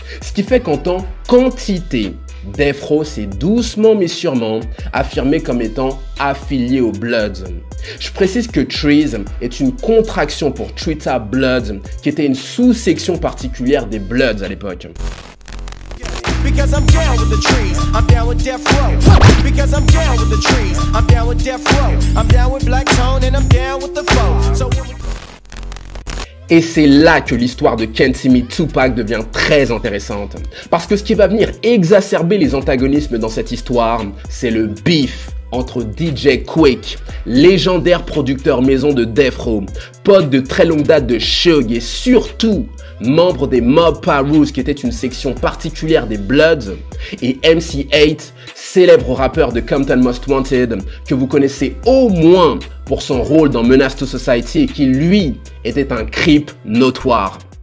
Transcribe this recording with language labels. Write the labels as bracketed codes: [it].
[fr] Ce qui fait qu'en tant qu'entité, Death Row s'est doucement mais sûrement affirmé comme étant affilié aux Bloods. Je précise que Trees est une contraction pour Twitter Bloods, qui était une sous-section particulière des Bloods à l'époque. [en] Because I'm down with the trees, I'm down with Death Row. Because I'm down with the trees, I'm down with Death Row. I'm down with Black Tone and I'm down with the flow. [fr] So et c'est là que l'histoire de Can't See Me Tupac devient très intéressante. Parce que ce qui va venir exacerber les antagonismes dans cette histoire, c'est le beef entre DJ Quick, légendaire producteur maison de Death Row, pote de très longue date de Shug et surtout membre des Mob Paroos, qui était une section particulière des Bloods, et MC8, célèbre rappeur de Compton Most Wanted, que vous connaissez au moins pour son rôle dans Menace to Society et qui, lui, était un creep notoire.